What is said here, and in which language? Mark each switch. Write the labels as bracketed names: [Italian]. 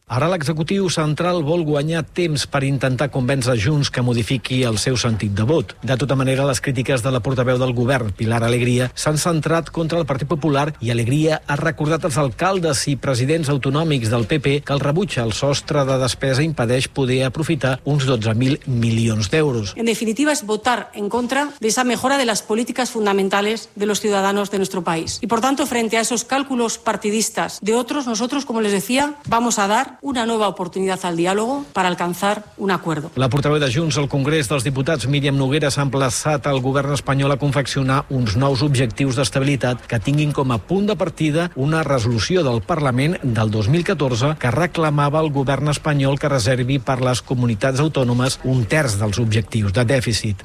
[Catalan] Ara l'executiu central vol guanyar temps per intentar convèncer Junts que modifiqui el seu sentit de vot. De tota manera, les crítiques de la portaveu del govern, Pilar Alegria, s'han centrat contra el Partit Popular i Alegria ha recordat als alcaldes i presidents autonòmics del PP que el rebutja el sostre de despesa impedeix poder aprofitar uns 12.000 milions d'euros. [Spanish] En definitiva, es votar en contra de esa mejora de las políticas fundamentales de los ciudadanos de nuestro país. Y por tanto, frente a esos cálculos partidistas de otros, nosotros, como les decía, vamos a dar una nueva oportunidad al diálogo para alcanzar un acuerdo. [Catalan] La portaveu de Junts al Congrés dels Diputats, Míriam Nogueras, ha emplaçat al govern espanyol a confeccionar uns nous objectius d'estabilitat que tinguin com a punt de partida una resolució del Parlament del 2014 que reclamava al govern espanyol que reservi per les comunitats autònomes un terç dels objectius de dèficit.